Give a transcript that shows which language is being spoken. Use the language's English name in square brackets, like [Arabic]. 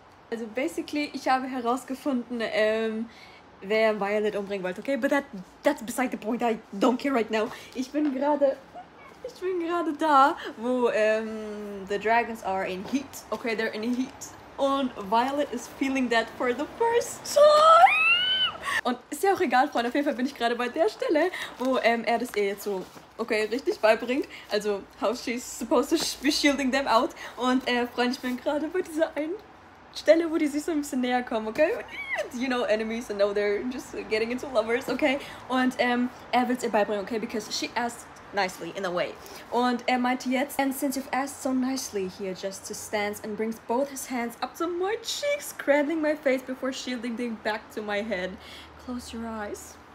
[German] Also basically, ich habe herausgefunden, wer Violet umbringen wollte, okay? [English] But that's beside the point. I don't care right now. [German] Ich bin gerade da, wo [English] the dragons are in heat. Okay, they're in heat. Und Violet is feeling that for the first time. [German] Und ist ja auch egal, Freunde. Auf jeden Fall bin ich gerade bei der Stelle, wo er das ihr jetzt so, okay, richtig beibringt. [English] Also, how she's supposed to be shielding them out. [German] Und Freunde, ich bin gerade bei dieser einen Stelle, wo die sich so ein bisschen näher kommen, okay? [English] You know enemies and now they're just getting into lovers, okay? [German] Und er will es ihr beibringen, [English] okay? Because she asked nicely, in a way. [German] Und er meinte jetzt, [English] and since you've asked so nicely, he adjusts his stance and brings both his hands up to my cheeks, cradling my face before shielding them back to my head. Close your eyes.